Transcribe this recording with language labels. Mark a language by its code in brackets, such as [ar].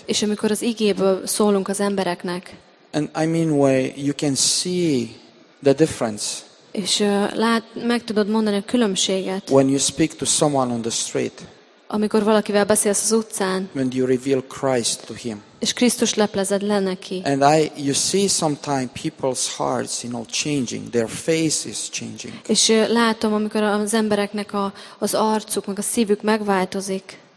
[hu] és amikor az igéből szólunk az embereknek, [en] and I mean way you can see the difference, [hu] és meg tudod mondani a különbséget, [en] when you speak to someone on the street, [hu] amikor valakivel beszélsz az utcán, [en] when you reveal Christ to him, [hu] és Krisztus leplezed le neki. [en] And you see sometimes people's hearts, you know, changing, their faces changing. [hu] És látom, amikor az embereknek az arcuk, meg a szívük megváltozik.